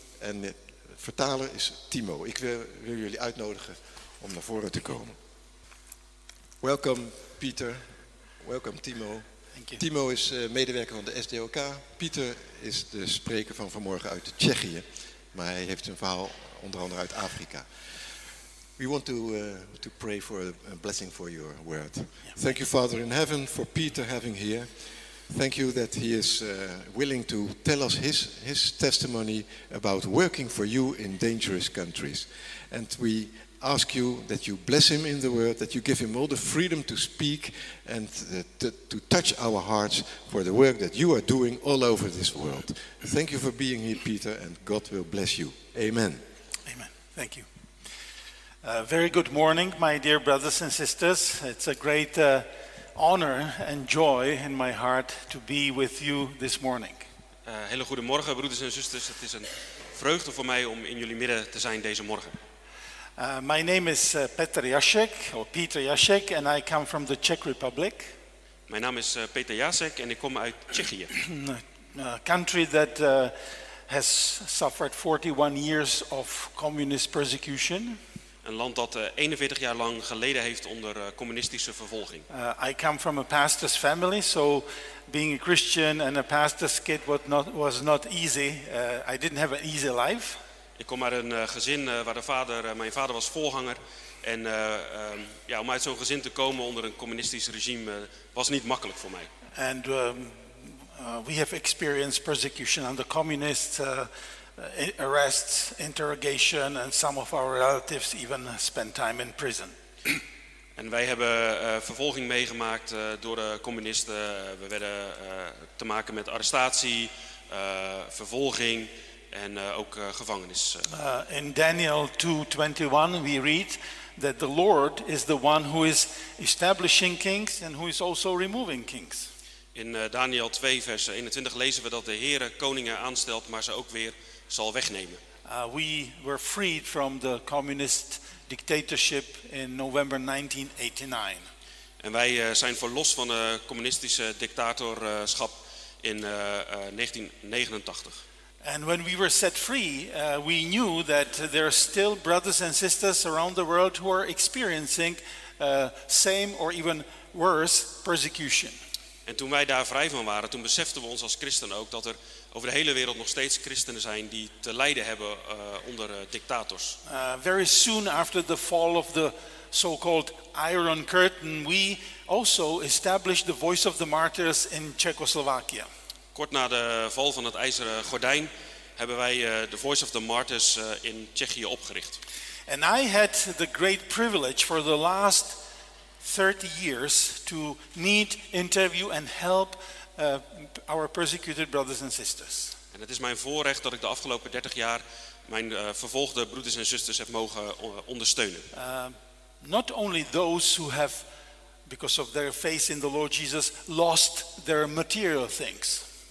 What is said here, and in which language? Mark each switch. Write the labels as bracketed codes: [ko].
[nl] En de vertaler is Timo. Ik wil jullie uitnodigen om naar voren te komen. Welkom Pieter. Welkom Timo. [en] Thank you. [nl] Timo is medewerker van de SDOK. Pieter is de spreker van vanmorgen uit Tsjechië. Maar hij heeft een verhaal onder andere uit Afrika. [en] We want to pray for a blessing for your word. Thank you, Father in heaven, for Pieter having here. Thank you that he is willing to tell us his testimony about working for you in dangerous countries. And we ask you that you bless him in the word, that you give him all the freedom to speak and to touch our hearts for the work that you are doing all over this world. Thank you for being here, Pieter, and God will bless you. Amen. Amen. Thank you. Very good morning, my dear brothers and sisters. It's a great honor and joy in my heart to be with you this morning. [nl] Hele goedemorgen, broeders en zusters. Het is een vreugde voor mij om in jullie midden te zijn deze morgen. [en] My name is Petr Jasek, or Peter Jasek, and I come from the Czech Republic. [nl] Mijn naam is Peter Jasek en ik kom uit Tsjechië. [en] A country that has suffered 41 years of communist persecution. [nl] Een land dat 41 jaar lang geleden heeft onder communistische vervolging. [en] I come from a pastor's family, so being a Christian and a pastor's kid was not easy. I didn't have an easy life. [nl] Ik kom uit een gezin waar mijn vader was voorganger. En om uit zo'n gezin te komen onder een communistisch regime was niet makkelijk voor mij. [en] And we have experienced persecution under communists. Arrests, interrogation, and some of our relatives even spent time in prison. [nl] En wij hebben vervolging meegemaakt door de communisten. We werden te maken met arrestatie, vervolging en ook gevangenis. [en] In Daniel 2:21 we read that the Lord is the one who is establishing kings and who is also removing kings. [nl] In Daniel 2 vers 21 lezen we dat de Heere koningen aanstelt, maar ze ook weer zal wegnemen. [en] We were freed from the communist dictatorship in November 1989. [nl] En wij zijn verlost van de communistische dictatorschap in 1989. [en] And when we were set free, we knew that there are still brothers and sisters around the world who are experiencing same or even worse persecution. [nl] En toen wij daar vrij van waren, toen beseften we ons als christen ook dat er over de hele wereld nog steeds christenen zijn die te lijden hebben onder dictators. [en] Very soon after the fall of the so-called Iron Curtain, we also established the Voice of the Martyrs in Czechoslovakia. [nl] Kort na de val van het IJzeren Gordijn hebben wij de Voice of the Martyrs in Tsjechië opgericht. [en] And I had the great privilege for the last 30 years to meet, interview and help our persecuted brothers and sisters. [nl] En het is mijn voorrecht dat ik de afgelopen 30 jaar mijn vervolgde broeders en zusters heb mogen ondersteunen. [en] Not only those who have, because of their faith in the Lord Jesus, lost their material things.